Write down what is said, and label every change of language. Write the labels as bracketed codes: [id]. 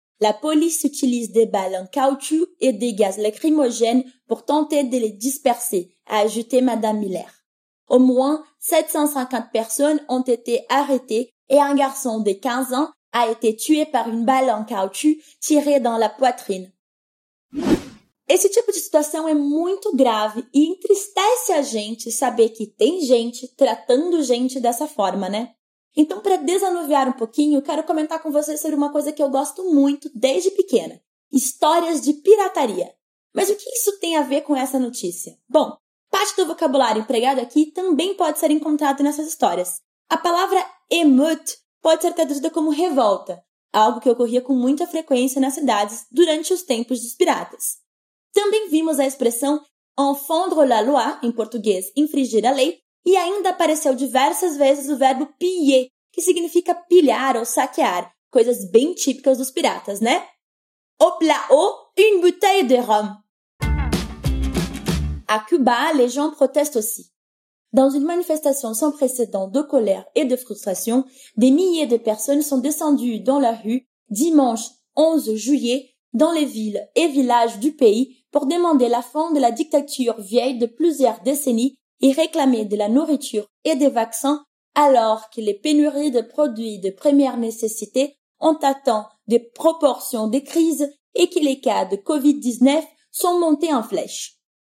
[fr] La police utilise des balles en caoutchouc et des gaz lacrymogènes pour tenter de les disperser, a ajouté Madame Miller. Au moins 750 personnes ont été arrêtées et un garçon de 15 ans a été tué par une balle en caoutchouc tirée dans la poitrine. [pt] Esse tipo de situação é muito grave e entristece a gente saber que tem gente tratando gente dessa forma, né? Então, para desanuviar um pouquinho, quero comentar com vocês sobre uma coisa que eu gosto muito desde pequena. Histórias de pirataria. Mas o que isso tem a ver com essa notícia? Bom, parte do vocabulário empregado aqui também pode ser encontrado nessas histórias. A palavra émeute pode ser traduzida como revolta, algo que ocorria com muita frequência nas cidades durante os tempos dos piratas. Também vimos a expressão [fr] enfreindre la loi, [pt] em português, infringir a lei, e ainda apareceu diversas vezes o verbo piller, que significa pilhar ou saquear, coisas bem típicas dos piratas, né? [fr] Hop là-haut, une bouteille de rhum! À Cuba, les gens protestent aussi. Dans une manifestation sans précédent de colère et de frustration, des milliers de personnes sont descendues dans la rue dimanche 11 juillet dans les villes et villages du pays pour demander la fin de la dictature vieille de plusieurs décennies et réclamer de la nourriture et des vaccins alors que les pénuries de produits de première nécessité ont atteint des proportions de crise et que les cas de COVID-19 sont montés en flèche.